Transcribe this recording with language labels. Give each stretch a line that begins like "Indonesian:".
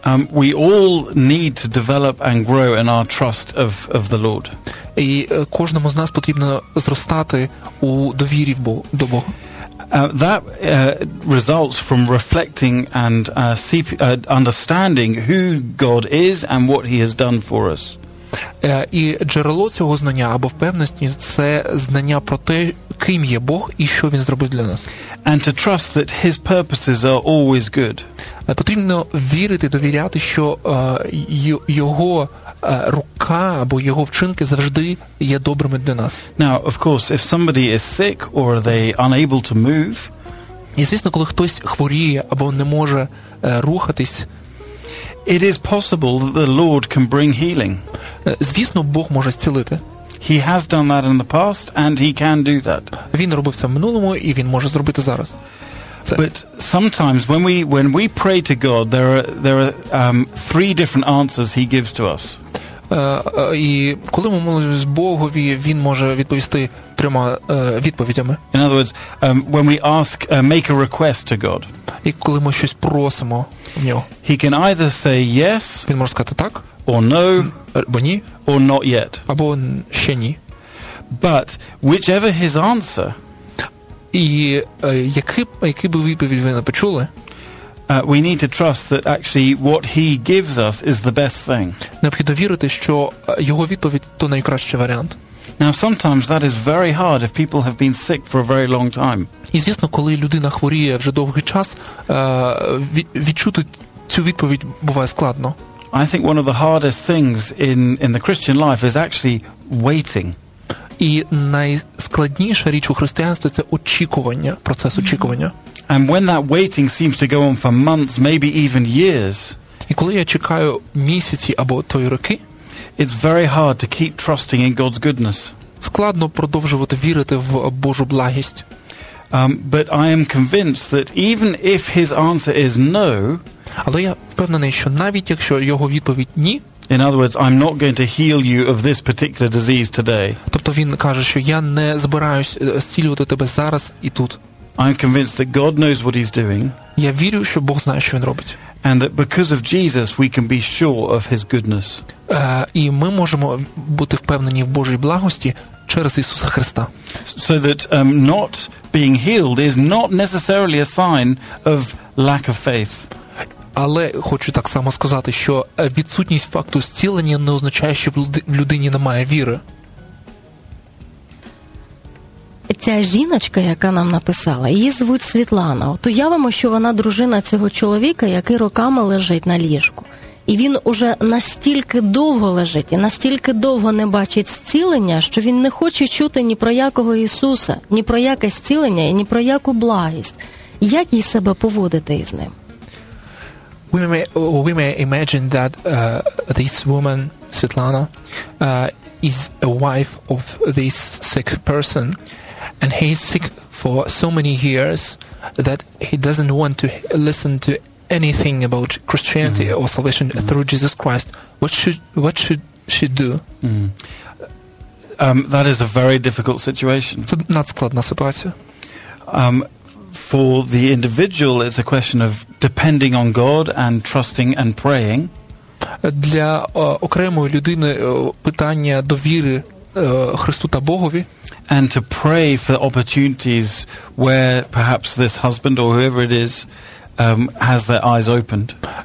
English: We all need to develop and grow in our trust of the Lord.
Ukrainian: І кожному з нас потрібно зростати у довірі до Бога.
English: That results from reflecting and understanding who God is and what he has done for us.
Ukrainian: І джерело цього знання або впевненості – це знання про те, ким є Бог і що він зробив для нас.
English: And to trust that his purposes are always good.
Ukrainian: Потрібно вірити, довіряти, що його рука або його вчинки завжди є добрими для нас.
English: Now, of course, if somebody is sick or they unable to move,
Ukrainian: і, звісно, коли хтось хворіє або не може рухатись,
English: it is possible that the Lord can bring healing.
Ukrainian: Звісно, Бог може зцілити.
English: He has done that in the past and he can do that.
Ukrainian: Він робив це в минулому і він може зробити зараз.
English: But sometimes when we pray to God, there are three different answers he gives to us.
Ukrainian: І коли ми молимось Богові, він може відповісти трьома відповідями.
English: In other words, when we ask make a request to God.
Ukrainian: І коли ми щось просимо в нього.
English: He can either say yes,
Ukrainian: він може сказати так,
English: or no,
Ukrainian: або ні,
English: or not yet.
Ukrainian: Або ще ні.
English: But whichever his answer,
Ukrainian: і який би відповідь ви не почули,
English: we need to trust that actually what he gives us is the best thing.
Ukrainian: Необхідно вірити, що його відповідь то найкращий варіант.
English: Now sometimes that is very hard if people have been sick for a very long time.
Ukrainian: І звісно, коли людина хворіє вже довгий час, відчути цю відповідь буває складно.
English: I think one of the hardest things in the Christian life is actually waiting.
Ukrainian: І найскладніша річ у християнстві – це очікування, процес очікування.
English: And when that waiting seems to go on for months, maybe even years,
Ukrainian: і коли я чекаю місяці або то й роки,
English: it's very hard to keep trusting in God's goodness.
Ukrainian: Складно продовжувати вірити в Божу благість.
English: But I am convinced that even if his answer is no,
Ukrainian: але я впевнений, що навіть якщо його відповідь ні,
English: in other words, I'm not going to heal you of this particular disease today,
Ukrainian: тобто він каже, що я не збираюсь зцілювати тебе зараз і тут,
English: I'm convinced that God knows what he's doing.
Ukrainian: Я вірю, що Бог знає, що він робить.
English: And that because of Jesus we can be sure of his goodness.
Ukrainian: І ми можемо бути впевнені в Божій благості через Ісуса Христа.
English: So that not being healed is not necessarily a sign of lack of faith.
Ukrainian: Але хочу так само сказати, що відсутність факту зцілення не означає, що в людині немає віри. Ця жіночка, яка нам написала, її звуть Світлана. От уявимо, що вона дружина цього чоловіка, який роками лежить на ліжку. І він уже настільки довго лежить, і настільки довго не бачить зцілення, що він не хоче чути ні про якого Ісуса, ні про яке зцілення, і ні про яку благість. Як їй себе поводити із ним?
English: We may imagine that this woman, Світлана, is a wife of this sick person. And he's sick for so many years that he doesn't want to listen to anything about Christianity mm-hmm. or salvation mm-hmm. through Jesus Christ. What should she do? Mm-hmm. That is a very difficult situation.
Ukrainian: Це надскладна ситуація.
English: For the individual, it's a question of depending on God and trusting and praying.
Ukrainian: Для окремої людини питання довіри Христу та Богові.
English: And to pray for opportunities where perhaps this husband or whoever it is has their eyes opened.